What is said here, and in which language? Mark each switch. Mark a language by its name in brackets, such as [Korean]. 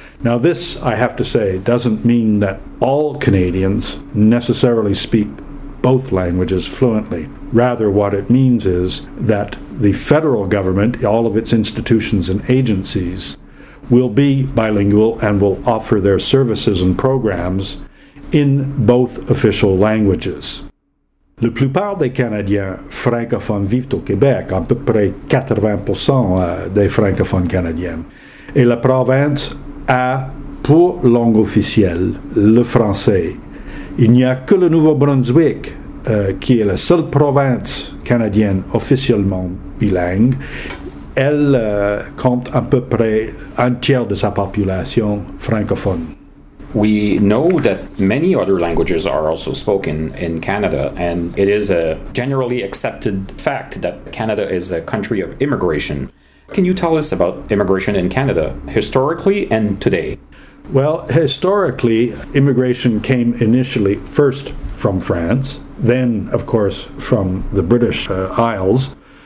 [English] Now, this, I have to say, doesn't mean that all Canadians necessarily speak both languages fluently. Rather, what it means is that the federal government, all of its institutions and agencies, will be bilingual and will offer their services and programs in both official languages. [French] La plupart des Canadiens francophones vivent au Québec, à peu près 80% des francophones canadiens. Et la province a pour langue officielle le français. Il n'y a que le Nouveau-Brunswick qui est la seule province canadienne officiellement bilingue. Elle compte à peu près un tiers de sa population francophone. [English] We know that many other languages are also spoken in Canada, and it is a generally accepted fact that Canada is a country of immigration. Can you tell us about immigration in Canada, historically and today? Well, historically, immigration came initially first from France, then, of course, from the British Isles.